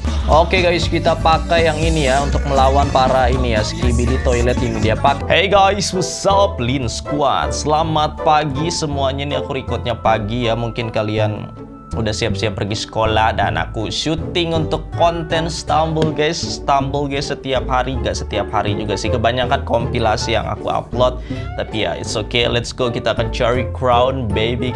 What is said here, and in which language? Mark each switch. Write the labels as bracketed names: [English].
[Indonesian] Okay, guys, kita pakai yang ini ya untuk melawan para ini ya Skibidi Toilet ini dia pakai. [English] Hey guys, what's up Lin Squad? [Indonesian] Selamat pagi semuanya, ini aku recordnya pagi ya. Mungkin kalian udah siap-siap pergi sekolah dan aku syuting untuk konten Stumble guys. Stumble guys setiap hari, gak setiap hari juga sih. Kebanyakan kompilasi yang aku upload. Tapi ya [English] it's okay, let's go. [Indonesian] Kita akan cari crown baby.